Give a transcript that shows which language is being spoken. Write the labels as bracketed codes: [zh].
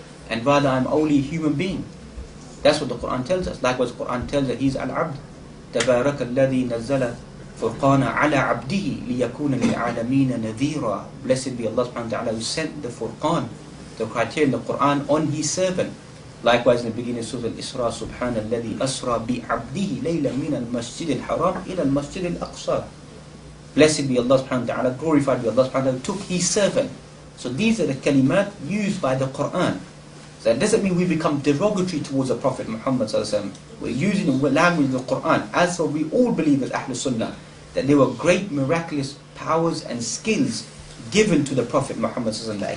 [en] And rather I'm only a human being. That's what the Quran tells us. Likewise, the Quran tells that he's al-abd. [ar] تَبَارَكَ الَّذِي نَزَّلَ فُرْقَانَ عَلَى عَبْدِهِ لِيَكُونَ لِلْعَالَمِينَ نَذِيرًا. [en] Blessed be Allah subhanahu wa ta'ala who sent the Furqan, the criterion, the Quran on his servant. Likewise, in the beginning of Surah Al-Isra, [ar] سُبْحَانَ الَّذِي أَسْرَى بِعَبْدِهِ لَيْلًا مِنَ الْمَسْجِدِ الْحَرَامِ إِلَى الْمَسْجِدِ الْأَقْصَى. [en] Blessed be Allah subhanahu wa ta'ala, glorified be Allah subhanahu wa ta'ala, took his servant. So these are the kalimat used by the Quran. So that doesn't mean we become derogatory towards the Prophet Muhammad sallallahu alaihi wasallam. We're using the language of the Quran, as for we all believe as Ahlul Sunnah, that there were great miraculous powers and skills given to the Prophet Muhammad sallallahu alaihi wasallam.